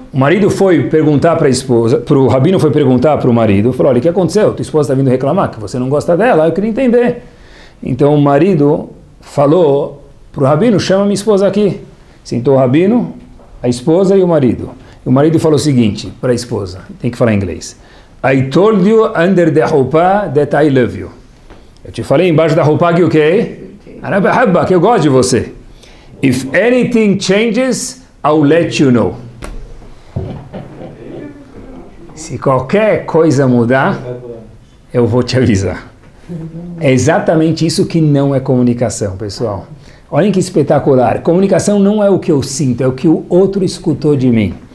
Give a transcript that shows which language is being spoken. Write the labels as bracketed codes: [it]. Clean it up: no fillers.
[pt] O marido foi perguntar para a esposa, para o rabino foi perguntar para o marido, falou, olha, o que aconteceu? Tua esposa está vindo reclamar que você não gosta dela, eu queria entender. Então o marido falou para o rabino, chama minha esposa aqui. Sentou o rabino, a esposa e o marido. O marido falou o seguinte para a esposa, tem que falar inglês. [en] I told you under the roupa that I love you. [pt] Eu te falei embaixo da roupa que o quê? Arabahabba, que eu gosto de você. [en] If anything changes, I'll let you know. [pt] Se qualquer coisa mudar, eu vou te avisar. É exatamente isso que não é comunicação, pessoal. Olhem que espetacular. Comunicação não é o que eu sinto, é o que o outro escutou de mim.